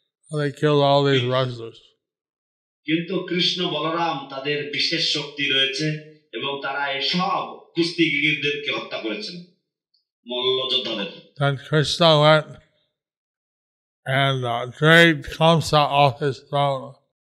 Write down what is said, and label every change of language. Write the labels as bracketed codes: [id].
[en] They killed all these wrestlers. [bn] কিন্তু কৃষ্ণ বলরাম তাদের বিশেষ শক্তি রয়েছে এবং তারা এই সব কুস্তিগীরদেরকে হত্যা করেছেন মল্লযোদ্ধাদের। [en] Then Krishna went and dragged Kamsa off his throne.